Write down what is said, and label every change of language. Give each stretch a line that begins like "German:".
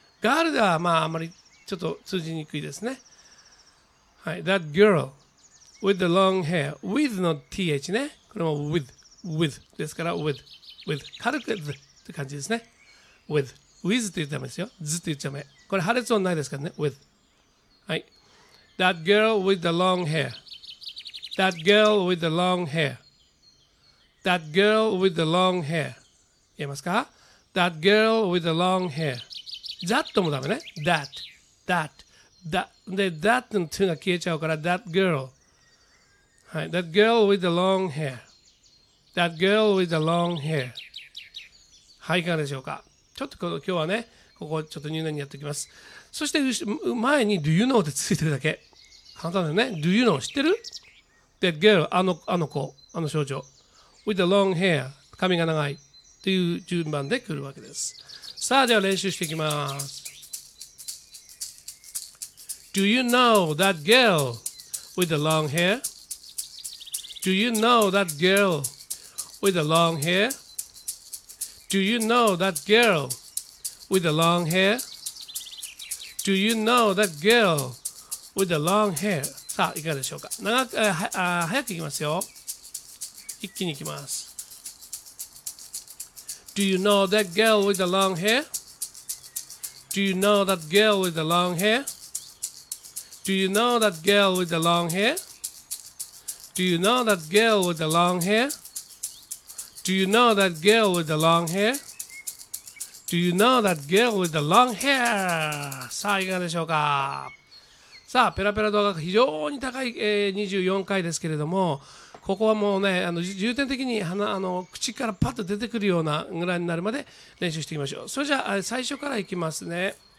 Japanese: girl ではまああまりちょっと通じにくいですね。はい。
English: that girl with the long hair with の th ね。
Japanese: これも withwith ですから with 軽く th って感じですね with って言っちゃダメですよ z って言っちゃダメこれ破裂音ないですからね with はい that girl with the long hair that girl with the long hair
English: that girl with the long hair 言えますか that girl with the long hair that もダメね that で that の t が消えちゃうから that girl はい that girl with the long hairThat girl with the long hair.
Japanese: はい、いかがでしょうか。ちょっとこの今日はね、ここちょっと入念にやっておきます。そして前に Do you know ってついてるだけ。簡単だよね。
English: Do you know 知ってる ?That girl, あの子、あの少女。 With the long hair, 髪が長い。
Japanese: という順番で来るわけです。さあ、では練習していきます。
English: Do you know that girl with the long hair?Do you know that girl? With the long hair? Do you know that girl with the long hair? Do you know that girl with the long hair?
Japanese: さあ、いかがでしょうか。早くいきますよ。一気にいきます。
English: Do you know that girl with the long hair? Do you know that girl with the long hair? Do you know that girl with the long hair? Do you know that girl with the long hair? Do you know that girl with the long hair? Do you know that girl with the long hair?
Japanese: さあ、いかがでしょうか。さあ、ペラペラ動画が非常に高い、24回ですけれども、ここはもうね、重点的に鼻口からパッと出てくるようなぐらいになるまで練習していきましょう。それじゃあ、最初からいきますね。